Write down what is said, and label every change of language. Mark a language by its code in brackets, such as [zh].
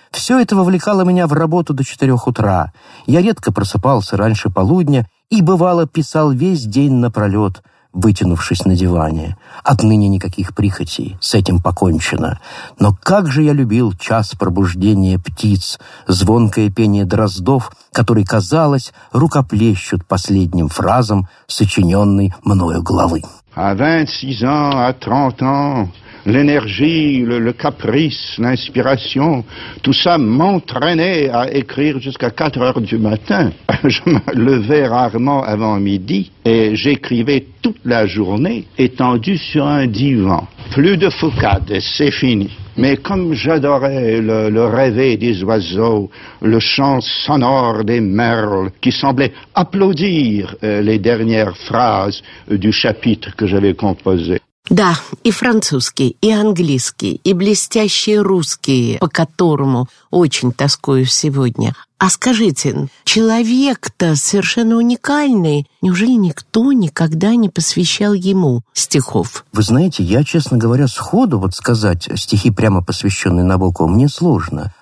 [ru] Все это вовлекало меня в работу до 4 утра. Я редко просыпался раньше полудня и, бывало, писал весь день напролет, вытянувшись на диване. Отныне никаких прихотей, с этим покончено. Но как же я любил час пробуждения птиц, звонкое пение дроздов, который, казалось, рукоплещут последним фразам сочиненной мною главы. [fr] А 26 ans, à 30 ans, l'énergie, le caprice, l'inspiration, tout ça m'entraînait à écrire jusqu'à 4 heures du matin. Je me levais rarement avant midi et j'écrivais toute la journée étendu sur un divan. Plus de focade, c'est fini. Mais comme j'adorais le rêver des oiseaux, le chant sonore des merles qui semblaient applaudir les dernières phrases du chapitre que j'avais composé. [ru] Да, и французский, и английский, и блестящий русский, по которому очень тоскую сегодня. А скажите, человек-то совершенно уникальный. Неужели никто никогда не посвящал ему стихов? Вы знаете, я, честно говоря, сходу вот сказать стихи, прямо посвященные Набокову, мне сложно.